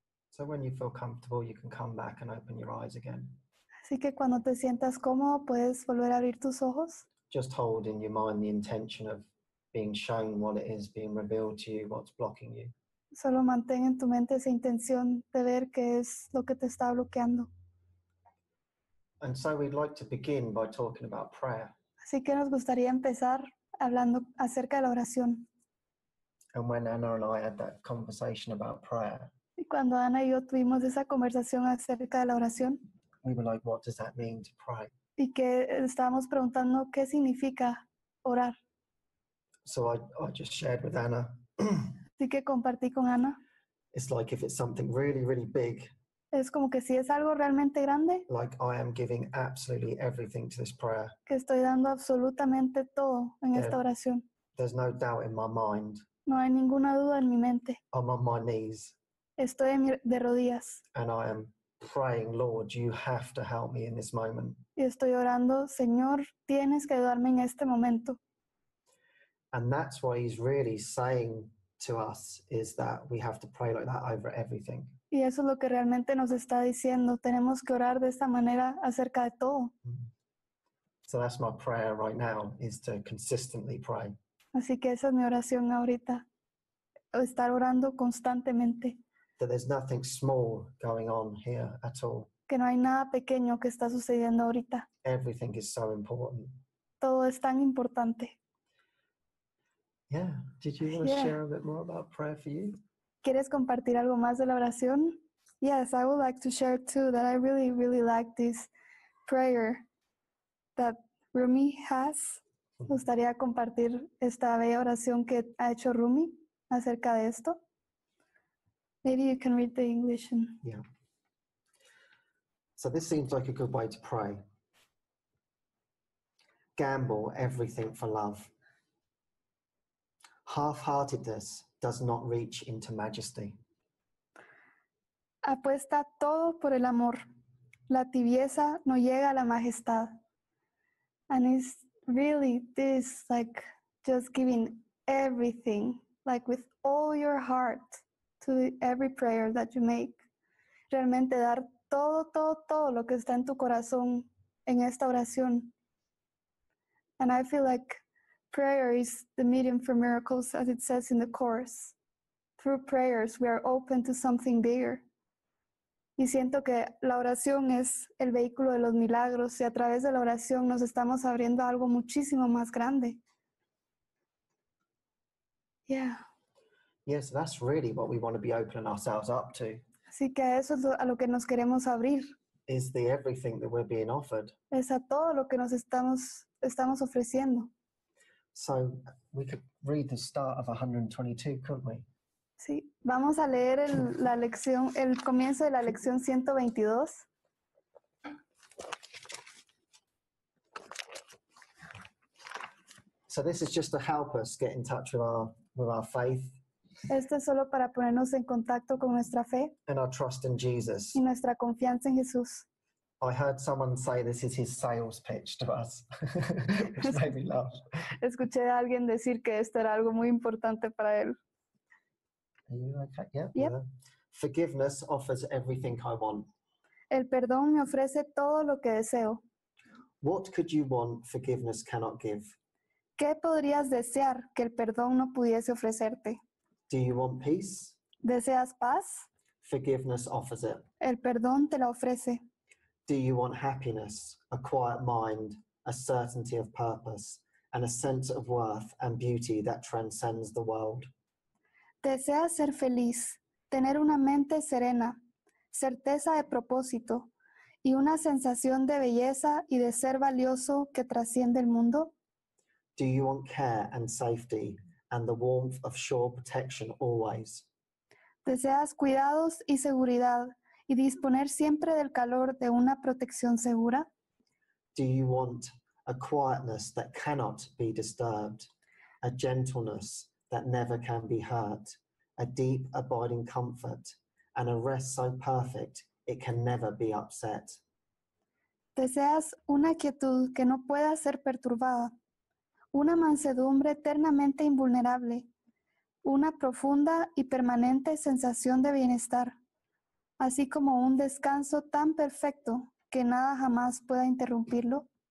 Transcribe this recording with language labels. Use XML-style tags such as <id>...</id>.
<en>So when you feel comfortable, you can come back and open your eyes again.</en> <es>Así que cuando te sientas cómodo, puedes volver a abrir tus ojos.</es> <en>Just hold in your mind the intention of being shown what it is, being revealed to you, what's blocking you.</en> <es>Solo mantén en tu mente esa intención de ver qué es lo que te está bloqueando.</es> <en>And so we'd like to begin by talking about prayer.</en> <es>Así que nos gustaría empezar hablando acerca de la oración.</es> <en>And when Anna and I had that conversation about prayer.</en> <es>Y cuando Ana y yo tuvimos esa conversación acerca de la oración.</es> <en>We were like, what does that mean to pray?</en> <es>Y que estábamos preguntando qué significa orar.</es> <en>So I just shared with Anna.</en> <es>Así que compartí con Ana.</es> <en>It's like if it's something really, really big.</en> <es>Es como que si es algo realmente grande.</es> <en>Like I am giving absolutely everything to this prayer.</en> <es>Que estoy dando absolutamente todo en esta oración.</es> <en>There's no doubt in my mind.</en> <es>No hay ninguna duda en mi mente.</es> <en>I'm on my knees.</en> <es>Estoy de rodillas.</es> <en>And I am praying, Lord, you have to help me in this moment.</en> <es>Y estoy orando, Señor, tienes que ayudarme en este momento.</es> <en>And that's what he's really saying to us, is that we have to pray like that over everything.</en> <es>Y eso es lo que realmente nos está diciendo. Tenemos que orar de esta manera acerca de todo.</es> <en>So that's my prayer right now, is to consistently pray.</en> <es>Así que esa es mi oración ahorita. Estar orando constantemente.</es> <en>That there's nothing small going on here at all.</en> <es>Que no hay nada pequeño que está sucediendo ahorita.</es> <en>Everything is so important.</en> <es>Todo es tan importante.</es> <en>Yeah. Did you want to share a bit more about prayer for you?</en> <es>¿Quieres compartir algo más de la oración?</es> <en>Yes, I would like to share too that I really, really like this prayer that Rumi has.</en> <es>Me gustaría compartir esta bella oración que ha hecho Rumi acerca de esto.</es> <en>Maybe you can read the English. Yeah. So this seems like a good way to pray. Gamble everything for love. Half-heartedness does not reach into majesty.</en> <es>Apuesta todo por el amor. La tibieza no llega a la majestad.</es> <en>And it's really this, like, just giving everything, like, with all your heart to every prayer that you make.</en> <es>Realmente dar todo, todo, todo lo que está en tu corazón en esta oración.</es> <en>And I feel like prayer is the medium for miracles, as it says in the Course. Through prayers, we are open to something bigger.</en> <es>Y siento que la oración es el vehículo de los milagros, y a través de la oración nos estamos abriendo a algo muchísimo más grande.</es> <en>Yeah. Yes, that's really what we want to be opening ourselves up to.</en> <es>Así que eso es a lo que nos queremos abrir.</es> <en>Is the everything that we're being offered.</en> <es>Es a todo lo que nos estamos ofreciendo.</es> <en>So we could read the start of 122, couldn't we?</en> <es>Sí, vamos a leer el comienzo de la lección 122.</es> <en>So this is just to help us get in touch with our faith.</en> <es>Esto es solo para ponernos en contacto con nuestra fe.</es> <en>And our trust in Jesus.</en> <es>Y nuestra confianza en Jesús.</es> <en>I heard someone say this is his sales pitch to us, which made me laugh.</en> <es>Escuché a alguien decir que esto era algo muy importante para él.</es> <en>Are you okay? Yeah. Yep. Forgiveness offers everything I want.</en> <es>El perdón me ofrece todo lo que deseo.</es> <en>What could you want forgiveness cannot give?</en> <es>¿Qué podrías desear que el perdón no pudiese ofrecerte?</es> <en>Do you want peace?</en> <es>¿Deseas paz?</es> <en>Forgiveness offers it.</en> <es>El perdón te la ofrece.</es> <en>Do you want happiness, a quiet mind, a certainty of purpose, and a sense of worth and beauty that transcends the world?</en> <es>¿Deseas ser feliz, tener una mente serena, certeza de propósito, y una sensación de belleza y de ser valioso que trasciende el mundo?</es> <en>Do you want care and safety and the warmth of sure protection always?</en> <es>¿Deseas cuidados y seguridad y disponer siempre del calor de una protección segura?</es> <en>Do you want a quietness that cannot be disturbed, a gentleness that never can be hurt, a deep abiding comfort, and a rest so perfect it can never be upset?</en> <es>¿Deseas una quietud que no pueda ser perturbada, una mansedumbre eternamente invulnerable, una profunda y permanente sensación de bienestar, así como un descanso tan perfecto que nada jamás pueda interrumpirlo?</es>